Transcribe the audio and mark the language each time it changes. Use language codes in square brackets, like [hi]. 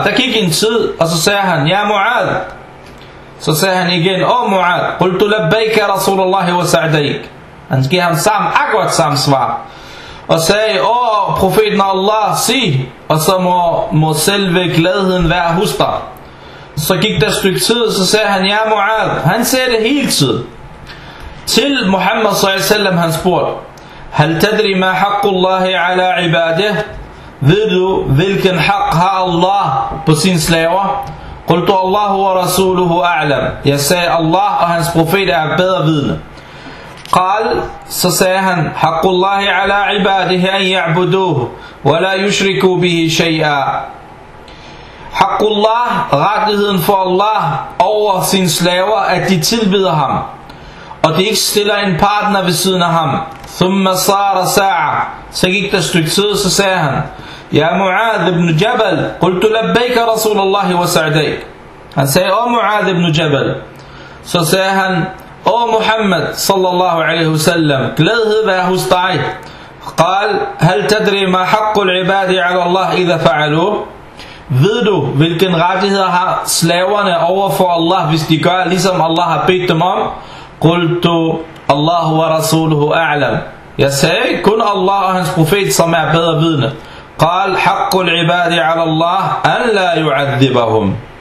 [da] Der gik en tid, og så sagde han, ya Mu'ad. Så sagde han igen, åh Mu'ad, [ar] قلت لبيك رسول الله وسعديك. [da] Han giver ham samme, akkurat samme svar. Og sagde, åh profeten Allah, sig, og så må selve gladheden være hos dig. Så gik der et stykke tid, så sagde han, ja Mu'ad, han sagde det hele tiden. Til Muhammad s.a.v. han spurgte, [ar] هل تدري ما حق الله على عباده? [da] Ved du, hvilken hak har Allah på sin slaver? [ar] قلت الله ورسوله أعلم. [da] Jeg sagde, Allah og hans profet er bedre vidne. [ar] قال, [da] så sagde han, [ar] حق الله على عباده أن يعبدوه ولا يشركوا به شيئا. حق الله, [da] rettigheden for Allah over sin slaver, at de tilbeder ham. Og de ikke stiller en partner ved siden af ham. [ar] ثم صار ساعة. [da] Så gik der et stykke tid, så sagde han, [ar] يا معاذ بن جبل قلت لبيك رسول الله وسعديك. [da] Han sagde, åh معاذ بن جبل. Så sagde han, åh محمد [ar] صلى الله عليه وسلم, [da] glædhed være hos dig. [ar] قال, هل تدري ما حق العباد على الله إذا فعلوا. [da] Ved du, hvilken rettighed har slaverne over for Allah, hvis de gør ligesom Allah har bedt dem om? [ar] قلت الله ورسوله أعلم. [da] Jeg sagde, kun Allah og hans profet, som er bedre vidne. [ar] قال حق العباد على الله أن لا يعذبهم.